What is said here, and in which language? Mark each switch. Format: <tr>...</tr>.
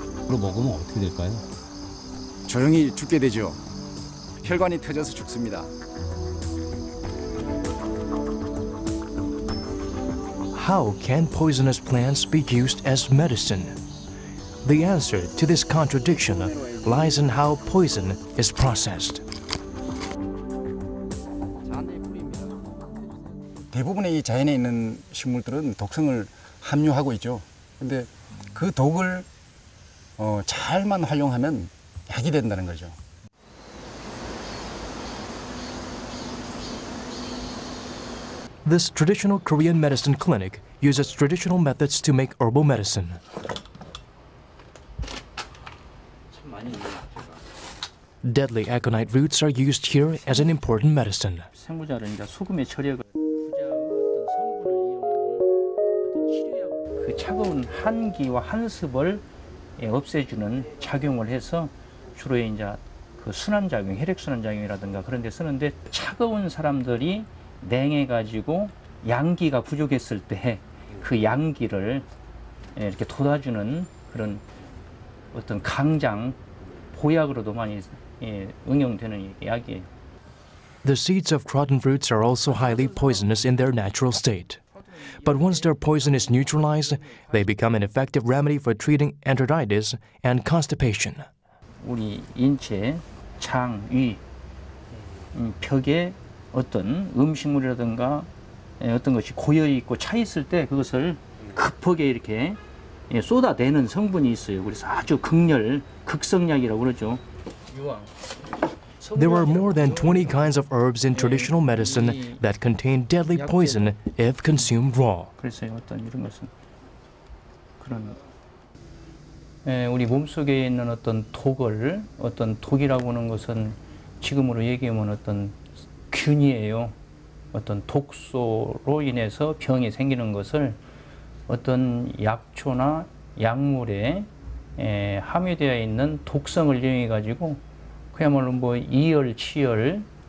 <ko>...로 먹으면 어떻게 될까요? 조용히 죽게 되죠. 혈관이 터져서 죽습니다.</ko> <en>How can poisonous plants be used as medicine? The answer to this contradiction lies in how poison is processed.</en> <ko>대부분의 이 자연에 있는 식물들은 독성을 함유하고 있죠. 근데 그 독을 잘만 활용하면 약이 된다는 거죠.</ko> <en>This traditional Korean medicine clinic uses traditional methods to make herbal medicine.</en> <ko>참 많이 있네요.</ko> <en>Deadly aconite roots are used here as an important medicine.</en> <ko>생부자라니까 소금에 절여가 그 차가운 한기와 한습을 없애주는 작용을 해서 주로 이제 그 순환 작용, 혈액 순환 작용이라든가 그런 데 쓰는데 차가운 사람들이 냉해 가지고 양기가 부족했을 때 그 양기를 이렇게 돋아주는 그런 어떤 강장 보약으로도 많이 응용되는 약이에요.</ko> <en>The seeds of crotten fruits are also highly poisonous in their natural state. But once their poison is neutralized, they become an effective remedy for treating enteritis and constipation.</en> <ko>우리 인체 장, 위, 벽에 어떤 음식물이라든가 어떤 것이 고여 있고 차 있을 때 그것을 급하게 이렇게 쏟아내는 성분이 있어요. 그래서 아주 극렬 극성약이라고 그러죠.</ko> <en>There are more than 20 kinds of herbs in traditional medicine that contain deadly poison if consumed raw.</en> <ko>그래서 어떤 이런 것은 그런 우리 몸속에 있는 어떤 독을 어떤 독이라고 하는 것은 지금으로 얘기하면 어떤 균이에요. 어떤 독소로 인해서 병이 생기는 것을 어떤 약초나 약물에 함유되어 있는 독성을 이용해 가지고 그야말로 뭐 이열, 치열,</ko>